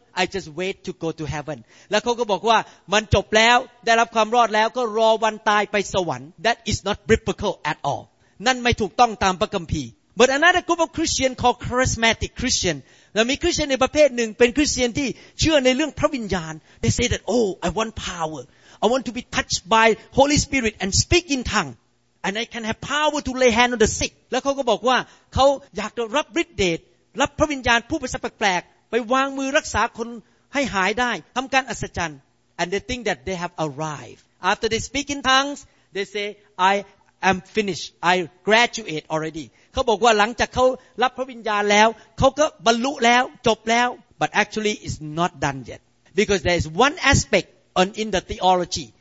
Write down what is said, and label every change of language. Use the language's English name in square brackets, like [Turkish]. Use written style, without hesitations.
[English] I just wait to go to heaven. [Thai] แล้วเขาก็บอกว่ามันจบแล้วได้รับความรอดแล้วก็รอวันตายไปสวรรค์ [English] That is not biblical at all. [Thai] นั่นไม่ถูกต้องตามพระคัมภีร์ [English] But another group of Christians called charismatic Christian. [Thai] แล้วมีคริสเตียนในประเภทหนึ่งเป็นคริสเตียนที่เชื่อในเรื่องพระวิญญาณ [English] They say that, oh, I want power. I want to be touched by Holy Spirit and speak in tongues. And I can have power to lay hands on the sick. [Thai] แล้วเขาก็บอกว่าเขาอยากจะรับฤทธิ์เดชรับพระวิญญาณผู้ประสาทแปลกๆไปวางมือรักษาคนให้หายได้ทำการอัศจรรย์ [English] and they think that they have arrived after they speak in tongues they say I am finished. I graduate already. [Thai] เขาบอกว่าหลังจากเขารับพระวิญญาณแล้วเขาก็บรรลุแล้วจบแล้ว [English] but actually it's not done yet. Because there is one aspect on in the theology.